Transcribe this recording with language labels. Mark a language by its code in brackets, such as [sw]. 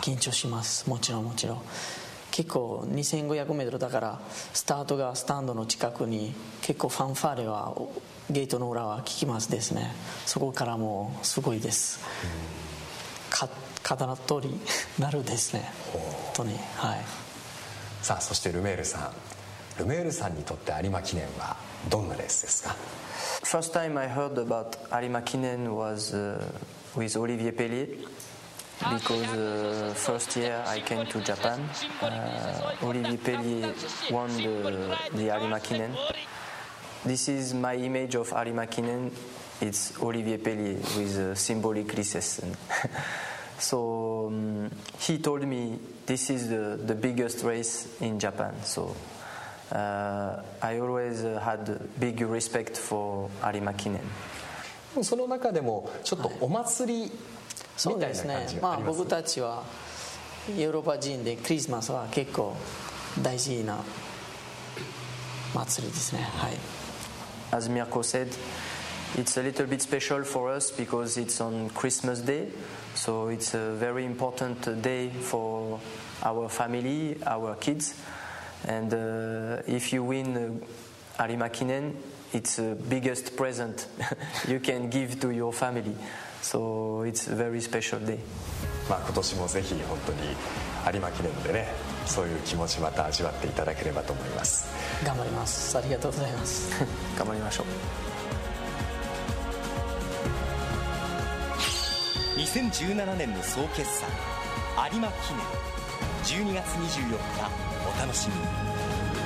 [ja] 緊張します、もちろんもちろん、結構2500メートルだからスタートがスタンドの近くに結構ファンファーレはゲートの裏は聞きますですね、そこからもすごいです、うん、刀通りなるですね本当に、はい、さあそしてルメールさん、ルメールさんにとって有馬記念はどんなレースですか。 [en] First time I heard about 有馬記念 was with Olivier Pellier because first year I came to Japan Olivier Pellier won the 有馬記念。 This is my image of 有馬記念、 it's Olivier Pellier with symbolic races So he told me this is the biggest race in Japan. So I always had big respect for 有馬記念。 [ja] その中でもちょっとお祭りみたいな感じ、そうですね。まあ僕たちはヨーロッパ人でクリスマスは結構大事な祭りですね。はい。 [en] As Mirko said, it's a little bit special for us because it's on Christmas Day. So it's a very important day for our family, our kids. And if you win 有馬記念, it's the biggest present you can give to your family. So it's a very special day. [ja] まあ今年もぜひ本当に有馬記念でね、そういう気持ちまた味わっていただければと思います。頑張ります。ありがとうございます。頑張りましょう。 2017年の総決算有馬記念12月24日お楽しみに。